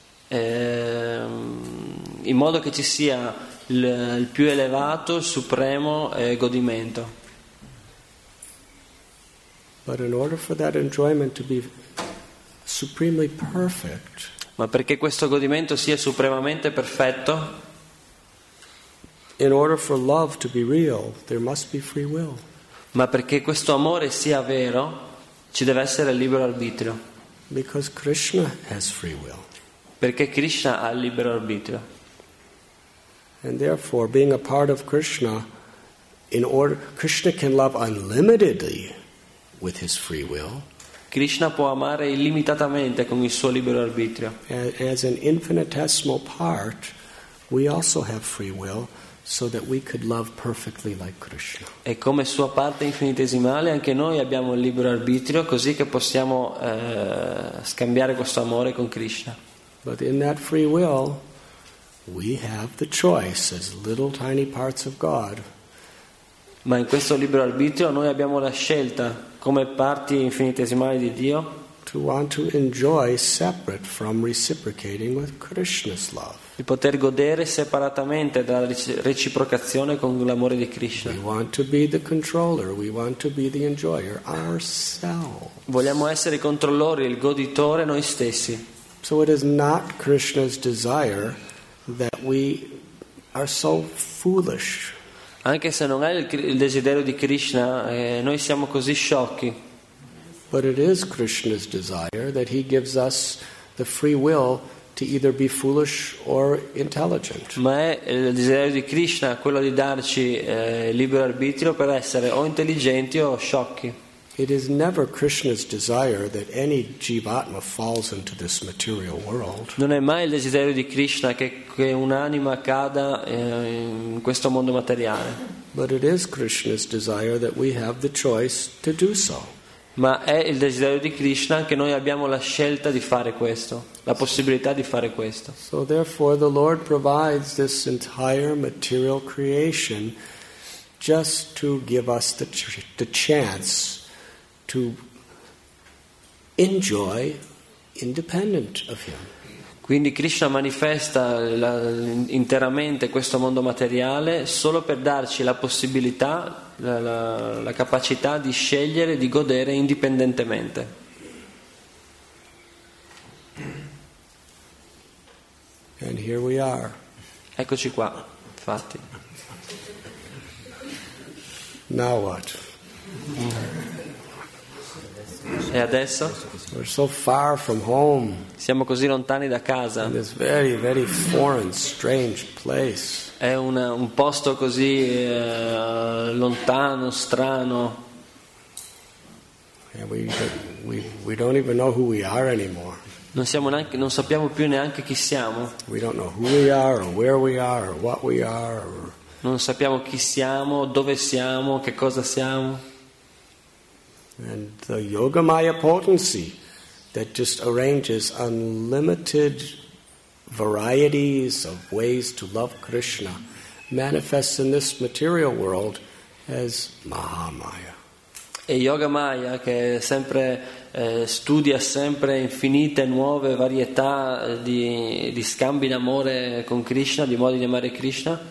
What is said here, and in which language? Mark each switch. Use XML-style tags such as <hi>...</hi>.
<it>In modo che ci sia il più elevato, supremo godimento.</it> <en>But in order for that enjoyment to be supremely perfect,</en> <it>ma perché questo godimento sia supremamente perfetto,</it> <en>in order for love to be real, there must be free will.</en> <it>Ma perché questo amore sia vero, ci deve essere il libero arbitrio.</it> <en>Because Krishna has free will.</en> <it>Perché Krishna ha il libero arbitrio.</it> <en>And therefore, being a part of Krishna, in order, Krishna can love unlimitedly with his free will.</en> <it>Krishna può amare illimitatamente con il suo libero arbitrio.</it> <en>As an infinitesimal part, we also have free will, so that we could love perfectly like Krishna.</en> <it>E come sua parte infinitesimale, anche noi abbiamo il libero arbitrio, così che possiamo scambiare questo amore con Krishna.</it> <en>But in that free will, we have the choice as little tiny parts of God.</en> <it>Ma in questo libero arbitrio noi abbiamo la scelta come parti infinitesimali di Dio</it> <en>to want to enjoy separate from reciprocating with Krishna's love.</en> <it>Di poter godere separatamente dalla reciprocazione con l'amore di Krishna.</it> <en>We want to be the controller, we want to be the enjoyer ourselves.</en> <it>Vogliamo essere i controllori, il goditore noi stessi.</it> <en>So it is not Krishna's desire that we are so foolish.</en> <it>Anche se non è il desiderio di Krishna, noi siamo così sciocchi.</it> <en>But it is Krishna's desire that he gives us the free will to either be foolish or intelligent.</en> <it>Ma è il desiderio di Krishna quello di darci libero arbitrio per essere o intelligenti o sciocchi.</it> <en>It is never Krishna's desire that any jivatma falls into this material world.</en> <it>Non è mai il desiderio di Krishna che un'anima cada in questo mondo materiale.</it> <en>But it is Krishna's desire that we have the choice to do so.</en> <it>Ma è il desiderio di Krishna che noi abbiamo la scelta di fare questo, la possibilità di fare questo.</it> <en>So therefore the Lord provides this entire material creation just to give us the chance to enjoy independent of him.</en> <it>Quindi Krishna manifesta interamente questo mondo materiale solo per darci la possibilità, la capacità di scegliere di godere indipendentemente.</it> <en>And here we are.</en> <it>Eccoci qua, infatti.</it> <en>Now what?</en> <it>E adesso?</it> <en>We're so far from home.</en> <it>Siamo così lontani da casa.</it> <en>In this very, very foreign, strange place.</en> <it>È un posto così lontano, strano.</it> <en>Yeah, we don't even know who we are anymore.</en> <it>Non sappiamo più neanche chi siamo.</it> <en>We don't know who we are, or where we are, or what we are. Or...</en> <it>Non sappiamo chi siamo, dove siamo, che cosa siamo.</it> <en>And the yogamaya potency that just arranges unlimited varieties of ways to love Krishna manifests in this material world as Mahamaya.</en> <it>E yogamaya che sempre studia sempre infinite nuove varietà di scambi d'amore con Krishna, di modi di amare Krishna.</it>